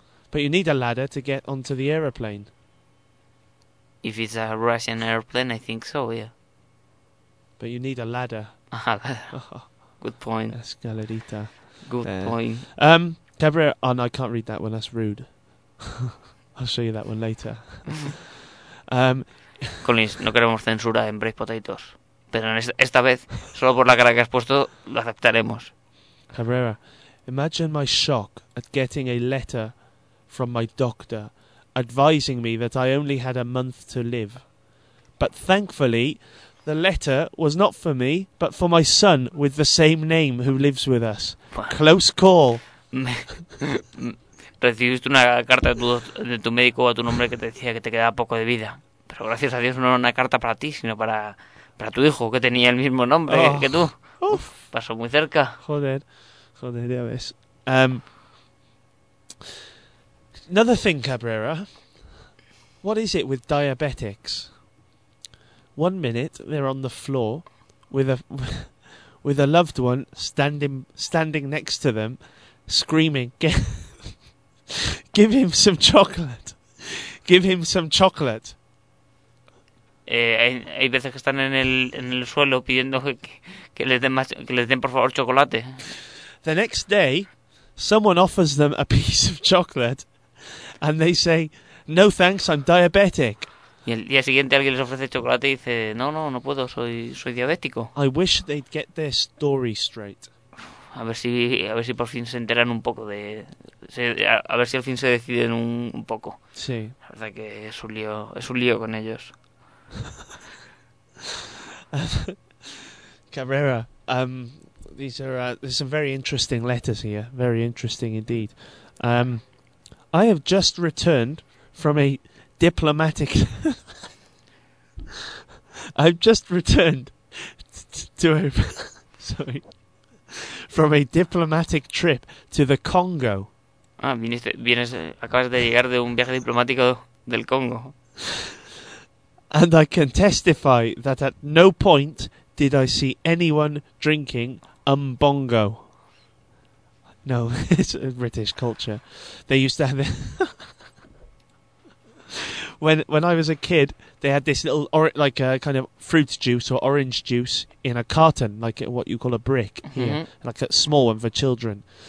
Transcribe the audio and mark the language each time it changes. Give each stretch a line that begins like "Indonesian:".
English: But you need a ladder to get onto the aeroplane. If it's a Russian aeroplane, I think so, yeah. But you need a ladder. Good point.
Spanish: Escalerita.
English: Good point. Cabrera, oh no, I can't read that one, that's rude. I'll show you that one later.
Spanish: Collins, no queremos censura en Break Potatoes, pero esta vez, solo por la cara que has puesto, lo aceptaremos.
English: Cabrera, imagine my shock at getting a letter from my doctor advising me that I only had a month to live. But thankfully, the letter was not for me, but for my son with the same name who lives with us. Close call.
Spanish: Recibiste una carta de tu médico o a tu nombre que te decía que te quedaba poco de vida. Pero gracias a Dios no era una carta para ti, sino para tu hijo, que tenía el mismo nombre que tú. Uf. Pasó muy cerca. Joder, ya ves.
English: Another thing,
Spanish: Cabrera.
English: What is it with diabetics? 1 minute they're on the floor with a loved one standing next to them, screaming, give him some chocolate. Give him some chocolate.
Spanish: Hay veces que están en el suelo pidiendo que les den por favor chocolate.
English: The next day, someone offers them a piece of chocolate, and they say, "No thanks, I'm diabetic."
Spanish: Y el día siguiente alguien les ofrece chocolate y dice, no puedo, soy diabético.
English: I wish they'd get their story straight.
Spanish: A ver si por fin se enteran un poco de... A ver si al fin se deciden un poco. Sí. La verdad que es un lío con ellos.
English: Cabrera, there's some very interesting letters here. Very interesting indeed. I have just returned from a diplomatic... I've just returned from a diplomatic trip to the Congo.
Spanish: Acabas de llegar de un viaje diplomático del Congo.
English: And I can testify that at no point did I see anyone drinking mbongo. No, it's a British culture. They used to have... When I was a kid, they had this little like a kind of fruit juice or orange juice in a carton, like what you call a brick here, like a small one for children.